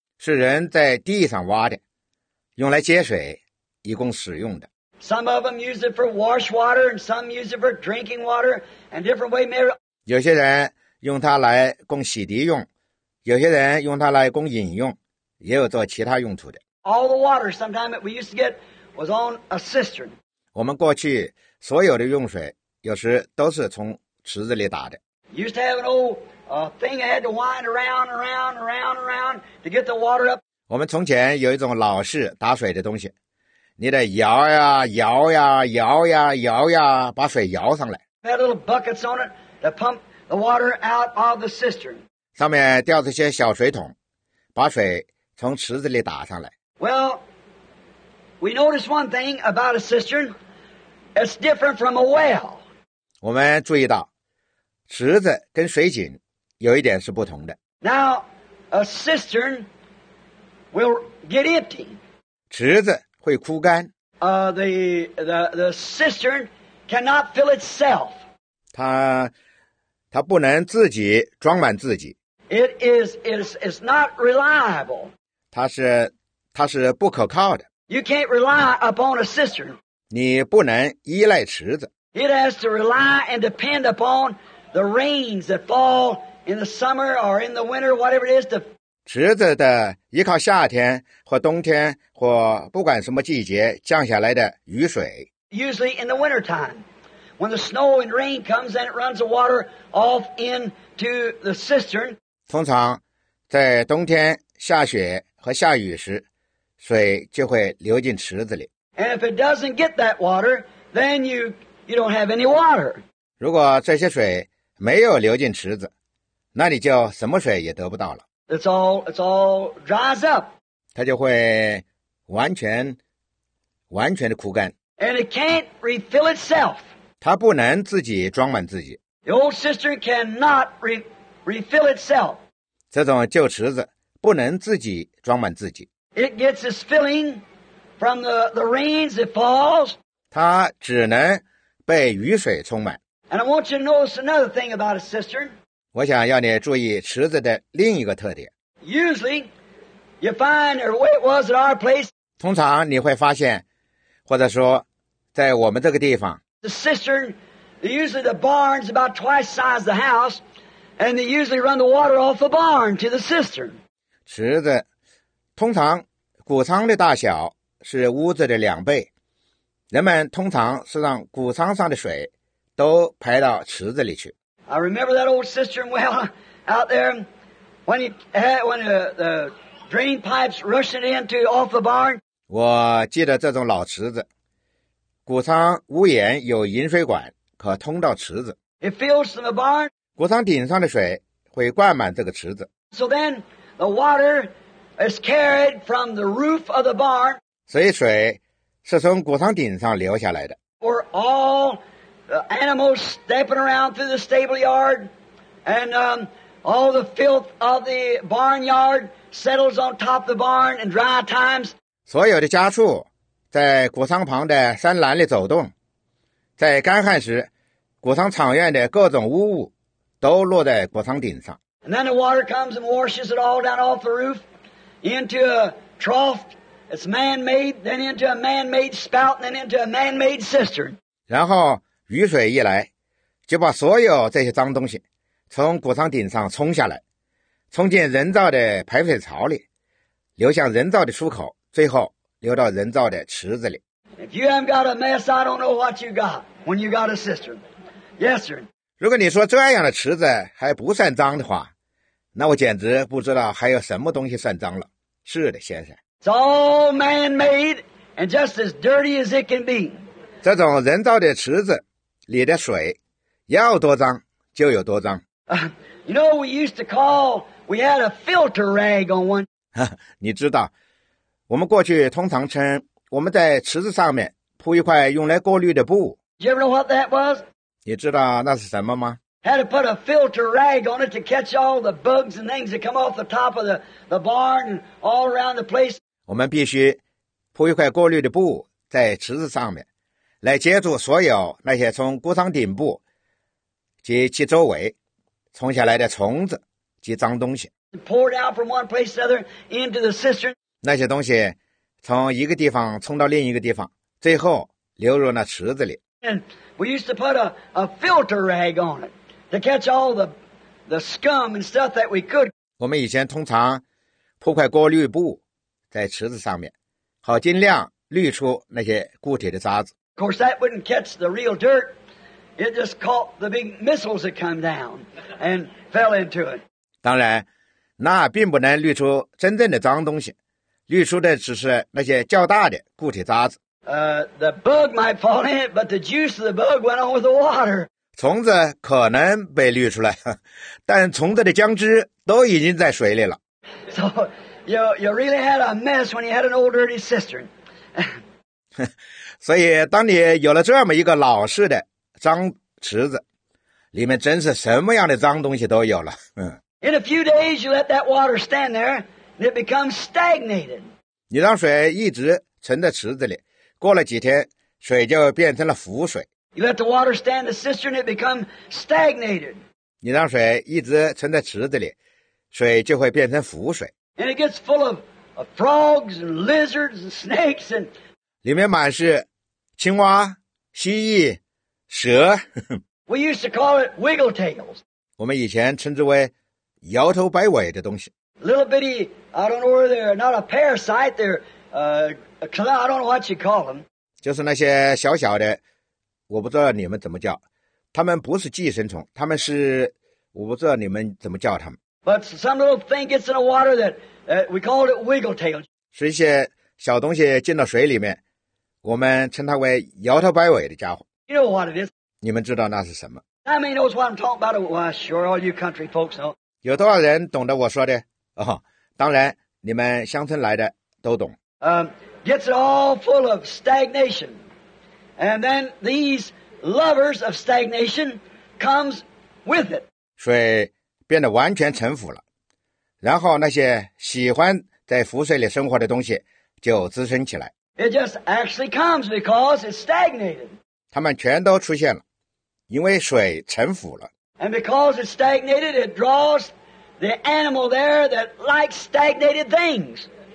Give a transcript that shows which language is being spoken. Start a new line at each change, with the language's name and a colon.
Chinese: 是人在地上挖的，用来接水，以供使用的。
English: Some of them use it for wash water, and some use it for drinking water, and different way may.
Chinese: 有些人用它来供洗涤用，有些人用它来供饮用，也有做其他用途的。
English: All the water sometime that we used to get was on a cistern.
Chinese: 我们过去所有的用水，有时都是从池子里打的。
English: Used to have an old thing I had to wind around, around, around, around to get the water up.
Chinese: 我们从前有一种老式打水的东西。你得摇呀摇呀摇呀摇呀，把水摇上来。
English: Had little buckets on it to pump the water out of the cistern.
Chinese: 上面吊着些小水桶，把水从池子里打上来。
English: Well, we notice one thing about a cistern. It's different from a well.
Chinese: 我们注意到，池子跟水井有一点是不同的。
English: Now, a cistern will get empty.
Chinese: 池子会枯干。
English: The cistern cannot fill itself.
Chinese: 它不能自己装满自己。
English: It is not reliable.
Chinese: 它是不可靠的。
English: You can't rely upon a cistern.
Chinese: 你不能依赖池子。
English: It has to rely and depend upon the rains that fall in the summer or in the winter, whatever it is to.
Chinese: 池子的依靠夏天或冬天或不管什么季节降下来的雨水。
English: Usually in the winter time, when the snow and rain comes, then it runs the water off into the cistern.
Chinese: 通常在冬天下雪和下雨时，水就会流进池子里。
English: And if it doesn't get that water, then you don't have any water.
Chinese: 如果这些水没有流进池子，那你就什么水也得不到了。
English: It's all dries up.
Chinese: 它就会完全的枯干。
English: And it can't refill itself.
Chinese: 它不能自己装满自己。
English: The old cistern cannot refill itself.
Chinese: 这种旧池子不能自己装满自己。
English: It gets its filling from the rains that falls.
Chinese: 它只能被雨水充满。
English: And I want you to notice another thing about a cistern.
Chinese: 我想要你注意池子的另一个特点。
English: Usually, you find the way it was at our place.
Chinese: 通常你会发现，或者说，在我们这个地方。
English: The cistern, usually the barn's about twice size the house, and they usually run the water off the barn to the cistern.
Chinese: 池子通常谷仓的大小是屋子的两倍，人们通常是让谷仓上的水都排到池子里去。
English: I remember that old cistern well out there when the drain pipes rushing into off the barn.
Chinese: 我记得这种老池子，谷仓屋檐有引水管可通到池子。
English: It fills the barn.
Chinese: 谷仓顶上的水会灌满这个池子。
English: So then the water is carried from the roof of the barn.
Chinese: 所以水是从谷仓顶上流下来的。
English: We're all animals stepping around through the stable yard, and all the filth of the barnyard settles on top of the barn in dry times.
Chinese: 所有的家畜在谷仓旁的山栏里走动，在干旱时，谷仓场院的各种污物都落在谷仓顶上。
English: And then the water comes and washes it all down off the roof into a trough. It's man-made, then into a man-made spout, then into a man-made cistern.
Chinese: 然后雨水一来，就把所有这些脏东西从谷仓顶上冲下来，冲进人造的排水槽里，流向人造的出口，最后流到人造的池子里。
English: If you haven't got a mess, I don't know what you got when you got a cistern. Yes, sir.
Chinese: 如果你说这样的池子还不算脏的话，那我简直不知道还有什么东西算脏了。是的，先生。
English: It's all man-made and just as dirty as it can be.
Chinese: 这种人造的池子里的水要多脏就有多脏。
English: You know, we used to call, we had a filter rag on one.
Chinese: 你知道，我们过去通常称我们在池子上面铺一块用来过滤的布。
English: Did you ever know what that was?
Chinese: 你知道那是什么吗？
English: Had to put a filter rag on it to catch all the bugs and things that come off the top of the barn and all around the place.
Chinese: 我们必须铺一块过滤的布在池子上面，来接住所有那些从谷仓顶部及其周围冲下来的虫子及脏东西。
English: Pour it out from one place to the other into the cistern.
Chinese: 那些东西从一个地方冲到另一个地方，最后流入那池子里。
English: And we used to put a filter rag on it to catch all the scum and stuff that we could.
Chinese: 我们以前通常铺块过滤布在池子上面，好尽量滤出那些固体的渣子。
English: Of course, that wouldn't catch the real dirt. It just caught the big missiles that come down and fell into it.
Chinese: 当然，那并不能滤出真正的脏东西，滤出的只是那些较大的固体渣子。
English: The bug might fall in it, but the juice of the bug went on with the water.
Chinese: 虫子可能被滤出来，但虫子的浆汁都已经在水里了。
English: So, you really had a mess when you had an old dirty cistern.
Chinese: 所以，当你有了这么一个老式的脏池子，里面真是什么样的脏东西都有了。
English: In a few days, you let that water stand there, and it becomes stagnated.
Chinese: 你让水一直存在池子里。过了几天，水就变成了浮水。
English: You let the water stand the cistern, it become stagnated.
Chinese: 你让水一直存在池子里，水就会变成浮水。
English: And it gets full of frogs and lizards and snakes and
Chinese: 里面满是青蛙、蜥蜴、蛇。
English: We used to call it wiggle tails.
Chinese: 我们以前称之为摇头摆尾的东西。
English: Little bitty, I don't know where they're not a parasite, they're I don't know what you call them.
Chinese: 就是那些小小的，我不知道你们怎么叫，他们不是寄生虫，他们是，我不知道你们怎么叫他们。
English: But some little thing gets in the water that we call it wiggle tail.
Chinese: 是一些小东西进到水里面，我们称它为摇头摆尾的家伙。
English: You know what it is?
Chinese: 你们知道那是什么
English: ？I mean, knows what I'm talking about. Well, sure, all you country folks know.
Chinese: 有多少人懂得我说的？哦，当然，你们乡村来的都懂。
English: Gets it all full of stagnation. And then these lovers of stagnation comes with it.
Chinese: 水变得完全沉浮了。然后那些喜欢在浮水里生活的东西就滋生起来。 It just actually comes because it's stagnated. 他们全都出现了，因为水沉浮了。
English: And because it's stagnated, it draws the animal there that likes stagnated things.